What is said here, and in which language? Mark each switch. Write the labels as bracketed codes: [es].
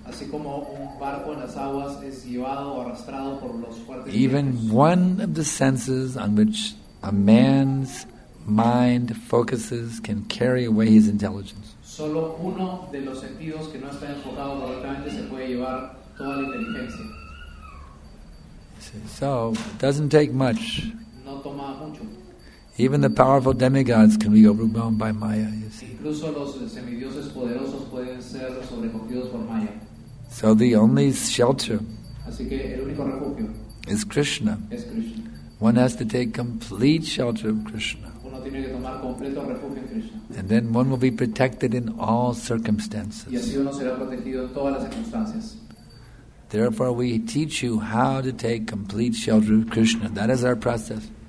[es] así como un barco en las aguas es llevado o arrastrado por los fuertes vientos, [en] even one of the senses on which a man's mind focuses can carry away his intelligence. [es] Solo uno de los sentidos que no está enfocado correctamente se puede llevar toda la inteligencia. [en] So it doesn't take much. [es] No toma mucho. [en] Even the powerful demigods can be overwhelmed by Maya, you see. [es] Incluso los semidioses poderosos pueden ser sobrecogidos por Maya. [en] So the only shelter, [es] así que el único refugio, [en] is Krishna. [es] Es Krishna. [en] One has to take complete shelter of Krishna. [es] Uno tiene que tomar completo refugio en Krishna. [en] And then one will be protected in all circumstances. [es] Y así uno será protegido en todas las circunstancias. [en] Therefore, we teach you how to take complete shelter of Krishna. That is our process.